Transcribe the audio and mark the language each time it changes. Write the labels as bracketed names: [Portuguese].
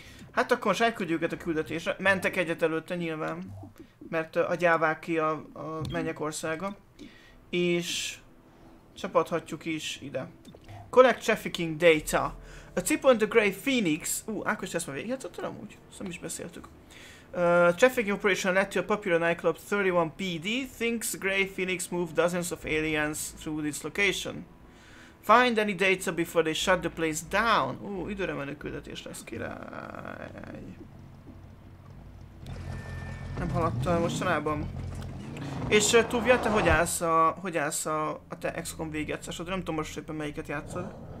[Hungarian] Hát akkor most elküldjük őket a küldetésre. Mentek egyet előtte nyilván. Mert a gyáváki a mennyek országa. És... csapathatjuk is ide. [English] Collect trafficking data. A tip on the Grey Phoenix. [Hungarian] Ákos, ezt már végigjátszottad amúgy? Azt nem is beszéltük. [English] Trafficking operation led to a popular nightclub 31PD. Thinks Grey Phoenix moved dozens of aliens through this location. Find any data before they shut the place down. [Hungarian] Időre menő küldetés lesz, király. Nem haladtam mostanában. És Tuvia, te hogy állsz a te XCOM végigjátszásod? Nem tudom most éppen melyiket játszod.